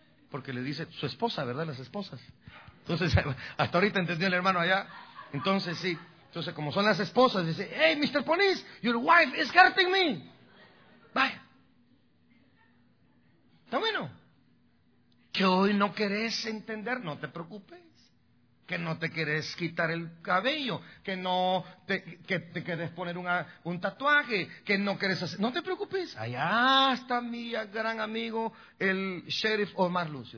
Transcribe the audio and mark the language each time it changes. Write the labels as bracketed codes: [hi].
[es] Porque le dice, su esposa, ¿verdad? Las esposas. Entonces, hasta ahorita entendió el hermano allá. Entonces, sí. Entonces, como son las esposas, dice, hey, Mr. [en] Police, your wife is hurting me. Bye. [es] ¿Está bueno? Que hoy no querés entender, no te preocupes. Que no te querés quitar el cabello, que no te, que te querés poner un tatuaje, que no querés hacer. No te preocupes. Allá está mi gran amigo, el sheriff Omar Lucio.